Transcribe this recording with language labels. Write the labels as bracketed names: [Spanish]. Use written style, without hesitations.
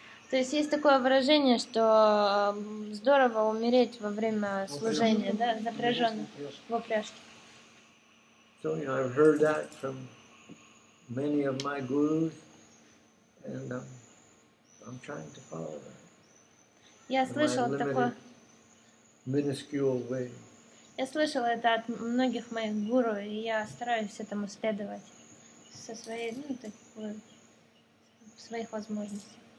[Russian] То есть есть такое выражение, что здорово умереть во время служения, да, запряженных в упряжке. [English] So, you know, I've heard that from many of my gurus, and I'm trying to follow that. [Russian] Я слышал такое. [English] Minuscule way. [Russian] Я слышал это от многих моих гуру, и я стараюсь этому следовать со своей, ну, такой, своих возможностей.